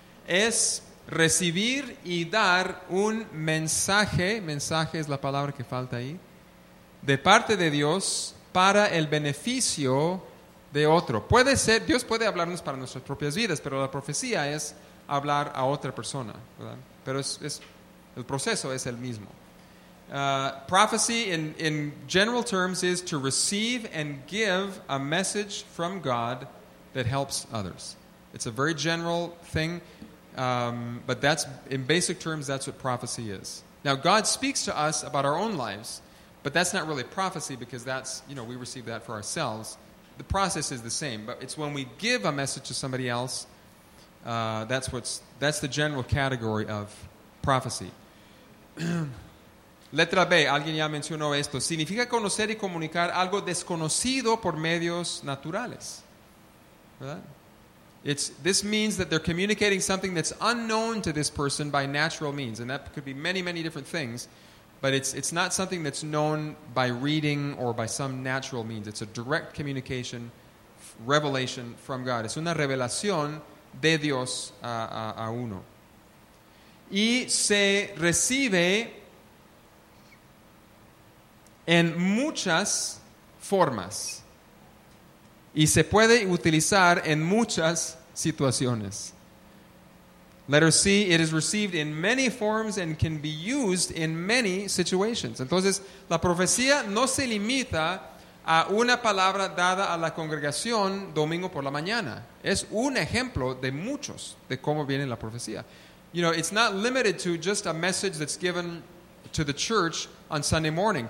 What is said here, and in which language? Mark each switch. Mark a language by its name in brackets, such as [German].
[Spanish] Es recibir y dar un mensaje, mensaje es la palabra que falta ahí, de parte de Dios para el beneficio de otro. Puede ser, Dios puede hablarnos para nuestras propias vidas, pero la profecía es hablar a otra persona, ¿verdad? Pero es el proceso es el mismo. [English] Prophecy in general terms is to receive and give a message from God that helps others. It's a very general thing, but that's in basic terms, that's what prophecy is. Now, God speaks to us about our own lives, but that's not really prophecy because that's, you know, we receive that for ourselves. The process is the same, but it's when we give a message to somebody else, that's the general category of prophecy. [Spanish] Letra B, alguien ya mencionó esto. Significa conocer y comunicar algo desconocido por medios naturales. ¿Verdad? [English] This means that they're communicating something that's unknown to this person by natural means. And that could be many, many different things. But it's not something that's known by reading or by some natural means. It's a direct communication, revelation from God. [Spanish] Es una revelación de Dios a uno. Y se recibe en muchas formas. Y se puede utilizar en muchas situaciones. [English] Letter C, it is received in many forms and can be used in many situations. [Spanish] Entonces, la profecía no se limita a una palabra dada a la congregación domingo por la mañana. Es un ejemplo de muchos de cómo viene la profecía. [English] You know, it's not limited to just a message that's given to the church on Sunday morning.